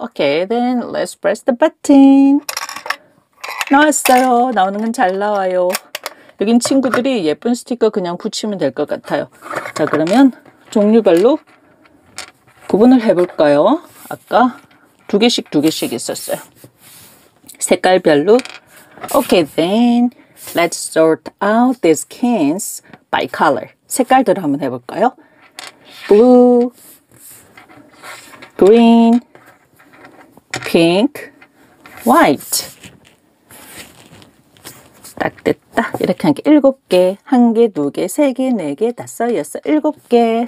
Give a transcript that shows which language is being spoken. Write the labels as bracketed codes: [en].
[en] Okay, then let's press the button. [ko] 나왔어요. 나오는 건 잘 나와요. 여긴 친구들이 예쁜 스티커 그냥 붙이면 될 것 같아요. 자, 그러면 종류별로 구분을 해볼까요? 아까 두 개씩 두 개씩 있었어요. 색깔별로. [en] Okay, then let's sort out these cans by color. [ko] 색깔대로 한번 해볼까요? [en] Blue, green, pink, white. [ko] 딱 됐다. 이렇게 한 개, 일곱 개. 한 개, 두 개, 세 개, 네 개, 다섯, 여섯, 일곱 개.